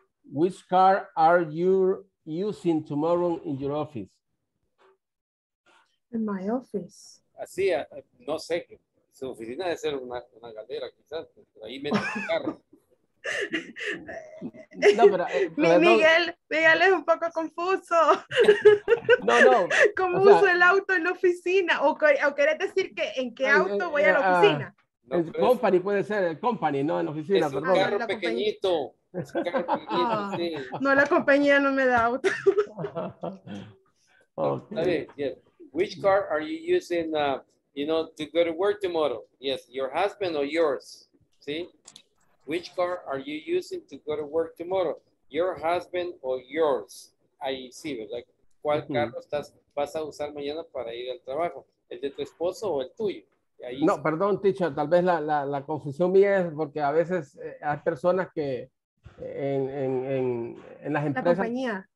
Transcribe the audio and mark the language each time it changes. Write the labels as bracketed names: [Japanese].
[English] Which car are you using tomorrow in your office? In my office. [Spanish] Así, no sé, su oficina debe ser una galera, quizás, ahí mete el carro. No, pero Miguel es un poco confuso. No. ¿Cómo uso el auto en la oficina? ¿O querés decir que en qué auto voy a la oficina? No, el company puede ser el company, no en la oficina, es perdón. Carro pequeñito. Es carro pequeñito, sí. No, la compañía no me da auto. [English] Okay. Yeah. Which car are you using to go to work tomorrow? Yes, your husband or yours? [Spanish] ¿Sí? [English] Which car are you using to go to work tomorrow? Your husband or yours? [Spanish] Ahí sí, ¿verdad? ¿Cuál carro vas a usar mañana para ir al trabajo? ¿El de tu esposo o el tuyo? Ahí no, sí. Perdón, teacher, tal vez la confusión mía es porque a veces hay personas que en las empresas... La compañía.